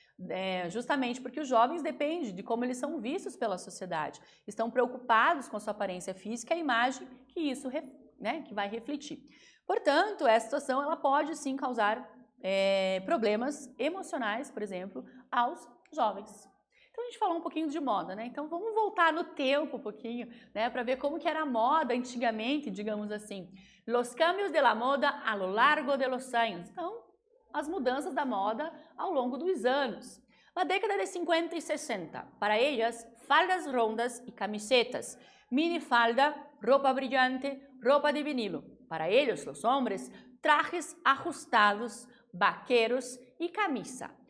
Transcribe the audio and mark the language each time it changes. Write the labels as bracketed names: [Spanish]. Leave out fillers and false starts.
[Portuguese] É, justamente porque os jovens dependem de como eles são vistos pela sociedade, estão preocupados com a sua aparência física e a imagem que isso que vai refletir. Portanto, essa situação ela pode sim causar problemas emocionais, por exemplo, aos jovens. Então a gente falou um pouquinho de moda, né? Então vamos voltar no tempo um pouquinho, né? Para ver como que era a moda antigamente, digamos assim. [Spanish] Los cambios de la moda a lo largo de los años. [Portuguese] Então, as mudanças da moda ao longo dos anos. Na década de 50 e 60, para elas, [Spanish] faldas rondas [Portuguese] e camisetas, [Spanish] mini falda, [Portuguese] roupa brilhante, roupa [Spanish] de vinilo. [Portuguese] Para eles, os homens, trajes ajustados, vaqueiros e camisa.